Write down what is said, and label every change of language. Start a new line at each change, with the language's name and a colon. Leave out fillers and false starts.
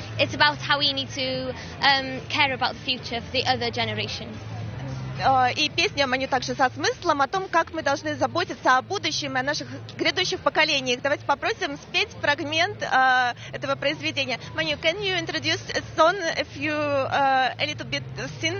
English: It's about how we need to care about the future for the other generation.
Russian: И песня Маню также со смыслом о том, как мы должны заботиться о будущем и о наших грядущих поколениях. Давайте попросим спеть фрагмент этого произведения.
English: Маню, can you introduce a song if you a little bit sing?